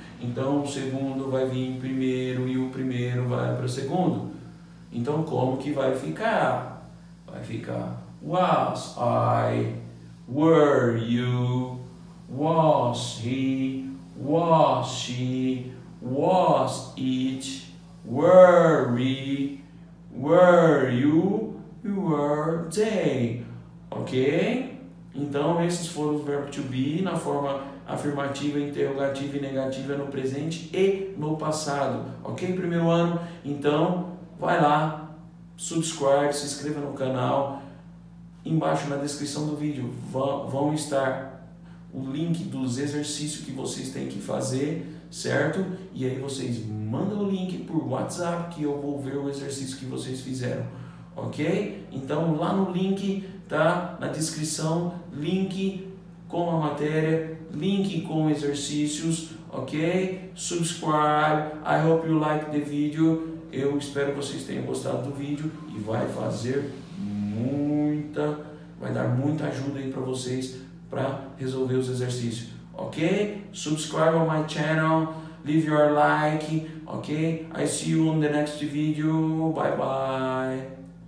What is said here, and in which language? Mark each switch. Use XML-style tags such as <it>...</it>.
<pt>Então, o segundo vai vir primeiro e o primeiro vai para o segundo. Então, como que vai ficar?</pt> <en>Vai ficar was I, were you, was he, was she, was it, were we, were you, were they. Ok?</en> <pt>Então, esses foram os verbos to be na forma afirmativa, interrogativa e negativa no presente e no passado. Ok, primeiro ano? Então, vai lá, subscribe, se inscreva no canal. Embaixo na descrição do vídeo vão estar o link dos exercícios que vocês têm que fazer, certo? E aí vocês mandam o link por WhatsApp que eu vou ver o exercício que vocês fizeram. Ok? Então, lá no link, tá? Na descrição, link com a matéria, link com exercícios, ok?</pt> <en>Subscribe, I hope you like the video.</en> <pt>Eu espero que vocês tenham gostado do vídeo e vai fazer muita, vai dar muita ajuda aí para vocês para resolver os exercícios, ok?</pt> <en>Subscribe on my channel, leave your like, ok? I see you on the next video, bye bye!</en>